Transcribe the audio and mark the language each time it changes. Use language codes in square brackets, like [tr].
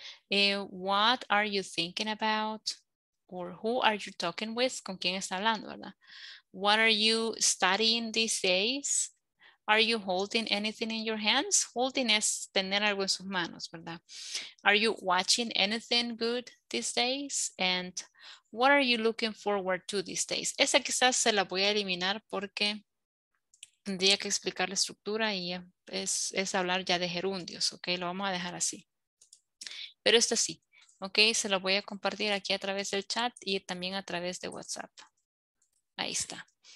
[en] What are you thinking about? Or who are you talking with? [es] ¿Con quién está hablando, verdad? [en] What are you studying these days? Are you holding anything in your hands? [es] Holding es tener algo en sus manos, verdad? [en] Are you watching anything good these days? And what are you looking forward to these days? [es] Esa quizás se la voy a eliminar porque tendría que explicar la estructura y es hablar ya de gerundios, ¿ok? Lo vamos a dejar así. Pero esto sí, ¿ok? Se lo voy a compartir aquí a través del chat y también a través de WhatsApp. Ahí está.